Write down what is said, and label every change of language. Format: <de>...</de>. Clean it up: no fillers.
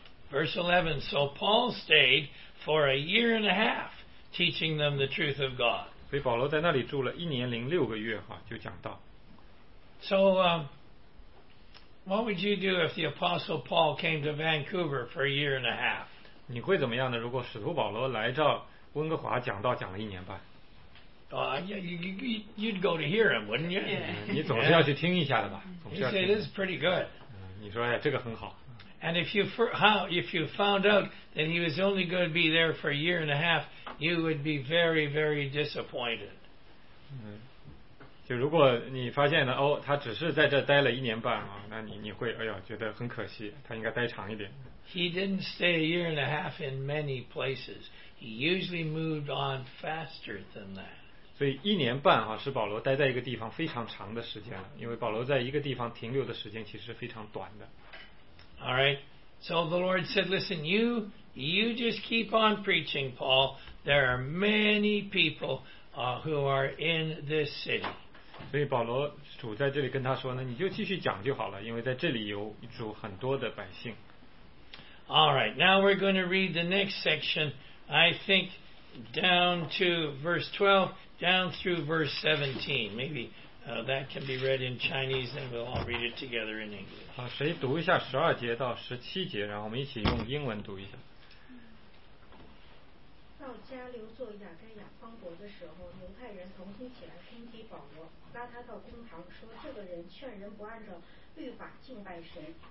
<en>Verse 11, so Paul stayed for a year and a half, teaching them the truth of God.</en> <zh>所以保罗在那里住了一年零六个月哈，就讲道。</zh> <en>So, what would you do if the Apostle Paul came to Vancouver for a year and a half?</en> <zh>你会怎么样呢？如果使徒保罗来到温哥华讲道讲了一年半。</zh> <en>You'd go to hear him, wouldn't you?</en> <zh>你总是要去听一下的吧。</zh> <en>You say this is pretty good.</en> <zh>你说哎，这个很好。</zh> <en>And if you found out that he was only going to be there for a year and a half, you would be very, very disappointed.</en> <zh>就如果你发现呢，哦，他只是在这待了一年半啊，那你会哎呦觉得很可惜，他应该待长一点。</zh> <en>He didn't stay a year and a half in many places. He usually moved on faster than that.</en> <zh>所以一年半哈、啊、是保罗待在一个地方非常长的时间了，因为保罗在一个地方停留的时间其实非常短的。</zh> <en>All right, So the Lord said, listen, you just keep on preaching, Paul. There are many people who are in this city.</en> <zh>所以保罗主在这里跟他说呢，你就继续讲就好了，因为在这里有主很多的百姓。</zh> <en>All right, now we're going to read the next section. I think down to verse 12, down through verse 17. Maybe that can be read in Chinese, and we'll all read it together in English.</en> <zh>好，谁读一下十二节到十七节，然后我们一起用英文读一下。到加留做雅该亚邦国的时候，犹太人同心起来攻击保罗，拉他到公堂，说这个人劝人不按照律法敬拜神。</zh>